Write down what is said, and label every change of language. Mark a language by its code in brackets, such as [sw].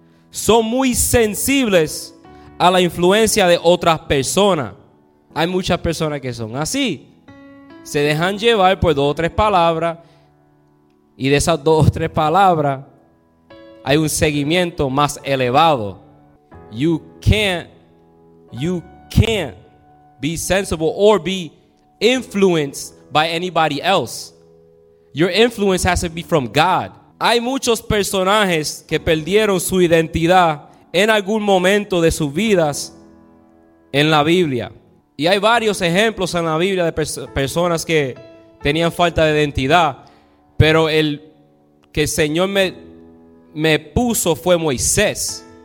[es] Son muy sensibles a la influencia de otras personas. Hay muchas personas que son así. Se dejan llevar por dos o tres palabras. Y de esas dos o tres palabras hay un seguimiento más elevado. [en] You can't be sensible or be influenced by anybody else. Your influence has to be from God. [es] Hay muchos personajes que perdieron su identidad en algún momento de sus vidas en la Biblia. Y hay varios ejemplos en la Biblia de personas que tenían falta de identidad. Pero el que el Señor me puso fue Moisés.